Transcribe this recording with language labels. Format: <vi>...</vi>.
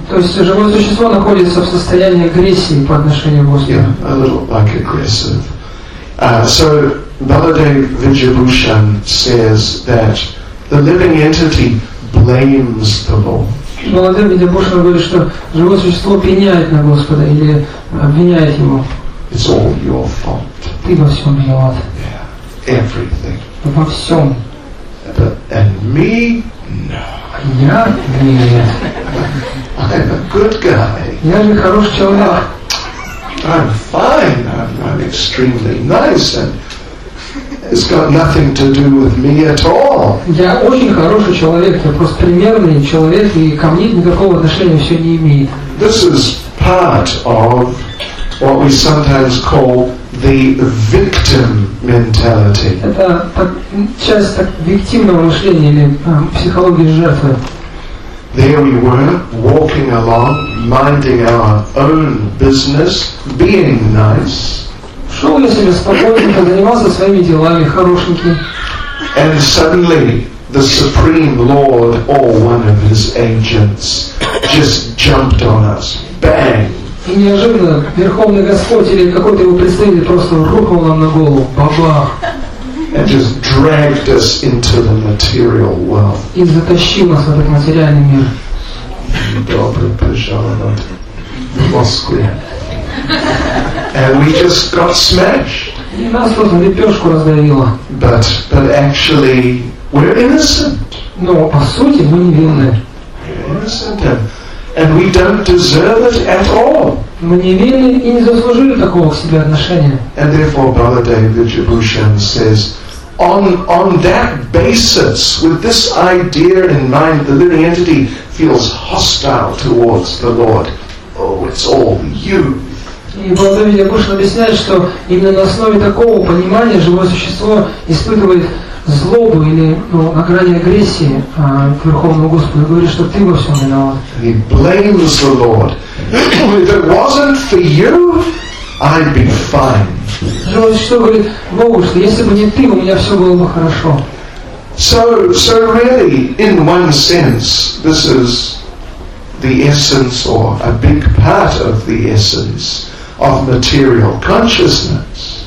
<ru>То есть живое существо находится в состоянии агрессии по отношению к Господу.</ru> <en>Yeah, a little like aggressive. So Baladev Vidyabhushan says that the living entity blames the Lord.</en> <ru>Baladev Vidyabhushan говорит, что живое существо пеняет на Господа или обвиняет его.</ru> <en>It's all your fault.</en> <ru>Ты во всем виноват.</ru> <en>Yeah, everything.</en> <ru>Во всем.</ru> <en>And me? No.</en> <ru>Я? Нет.</ru> <en>I'm a good guy.</en> <ru>Я же хороший человек.</ru> <en>I'm fine. I'm extremely nice, and it's got nothing to do with me at all.</en> <ru>Я очень хороший человек. Я просто примерный человек, и ко мне никакого отношения все не имеет.</ru> <en>This is part of what we sometimes call the victim mentality.</en> <ru>Это часть так виктимного мышления или психологии жертвы.</ru> <en>There we were, walking along, minding our own business, being nice.</en> <ru>Шел я себе спокойненько, занимался своими делами, хорошенький.</ru> <en>And suddenly, the Supreme Lord or one of his agents just jumped on us. Bang!</en> <ru>И неожиданно Верховный Господь или какой-то его представитель просто рухнул нам на голову. Бабах!</ru> <en>And just dragged us into the material world.</en> <ru>И затащил нас в этот материальный мир. Добро пожаловать в Москву.</ru> <en>And we just got smashed.</en> <ru>И нас просто лепешку раздавило.</ru> <en>But actually, we're innocent.</en> <ru>Но по сути мы невинны.</ru> <en>And we don't deserve it at all.</en> <ru>Мы невинны и не заслужили такого к себе отношения.</ru> <en>And therefore, Brother David Vidyabhushan says, on that basis, with this idea in mind, the living entity feels hostile towards the Lord. Oh, it's all you.</en> <ru>И Brother David Vidyabhushan объясняет, что именно на основе такого понимания живое существо испытывает злобу или на грани агрессии к Верховному Господу, говорит, что ты во всем виноват.</ru> <en>He blames the Lord. If it wasn't for you, I'd be fine.</en> <ru>Что говорит Богу, что если бы не ты, у меня все было бы хорошо.</ru> <en>So really, in one sense, this is the essence or a big part of the essence of material consciousness.</en>